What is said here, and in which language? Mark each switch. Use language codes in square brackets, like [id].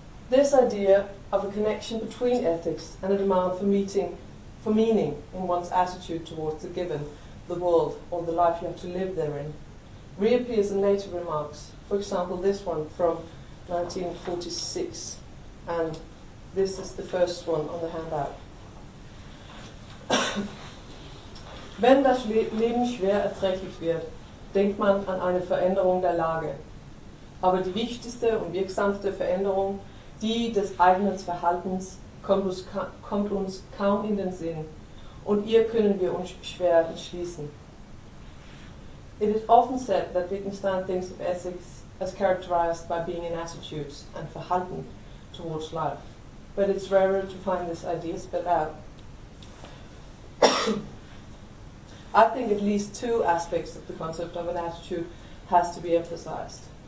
[en] this idea of a connection between ethics and a demand for meeting, for meaning in one's attitude towards the given, the world, or the life you have to live therein, reappears in later remarks. For example, this one from 1946, and this is the first one on the handout. [de] Wenn das Leben schwer erträglich wird, denkt man an eine Veränderung der Lage. Aber die wichtigste und wirksamste Veränderung, die des eigenen Verhaltens, kommt uns kaum in den Sinn, und ihr können wir uns schwer entschließen. [en] It is often said that Wittgenstein thinks of ethics as characterized by being in attitudes and Verhalten towards life, but it's rarer to find this idea spelled out. I think at least two aspects of the concept of an attitude has to be emphasized.